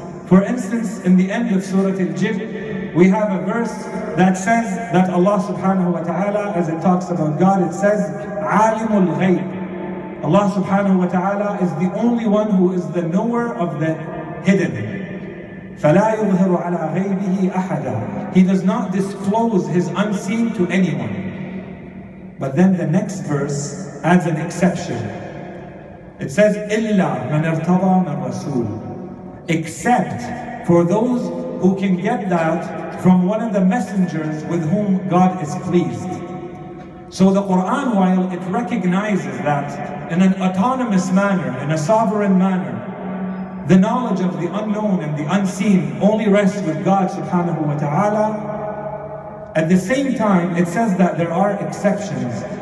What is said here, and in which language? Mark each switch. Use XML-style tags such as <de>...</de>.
<en>For instance, in the end of Surah Al-Jin, we have a verse that says that Allah subhanahu wa ta'ala, as it talks about God, it says,</en> <ar>عَالِمُ الْغَيْبِ.</ar> <en>Allah subhanahu wa ta'ala is the only one who is the knower of the hidden.</en> <ar>فَلَا يُظْهِرُ عَلَىٰ غَيْبِهِ أَحَدًا.</ar> <en>He does not disclose his unseen to anyone. But then the next verse adds an exception. It says,</en> <ar>إِلَّا مَنْ اَرْتَضَى مَنْ رَسُولُ.</ar> <en>Except for those who can get that from one of the messengers with whom God is pleased. So the Quran, while it recognizes that in an autonomous manner, in a sovereign manner, the knowledge of the unknown and the unseen only rests with God subhanahu wa ta'ala, at the same time, it says that there are exceptions.</en>